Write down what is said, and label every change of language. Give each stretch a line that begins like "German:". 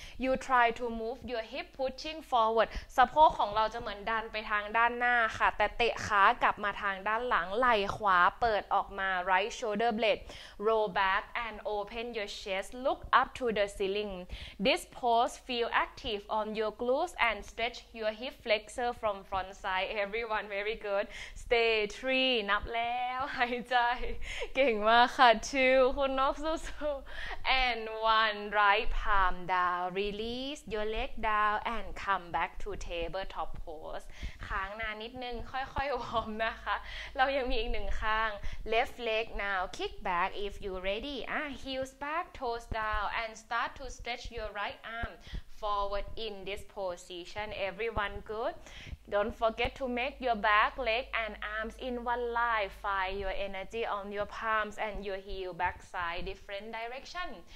English: you try to move your hip pushing forward
Thai: สะโพกของเราจะเหมือนดันไปทางด้านหน้าค่ะแต่เตะขากลับมาทางด้านหลังไหล่ขวาเปิดออกมา
English: right shoulder blade roll back and open your chest look up to the ceiling this pose feel active on your glutes and stretch your hip flexor from front side. Everyone, very good. Stay three.
Thai: นับแล้วหายใจเก่งมากค่ะ two. คุณนกสู้ๆ
English: and one. Right palm down. Release your leg down and come back to tabletop pose.
Thai: ค้างนานนิดนึงค่อยๆวอร์มนะคะเรายังมีอีกหนึ่งข้าง
English: left leg now. Kick back if you're ready. Heels back, toes down and start to stretch your right arm forward in this position. Everyone good? Don't forget to make your back, leg and arms in one line. Find your energy on your palms and your heel back side different direction.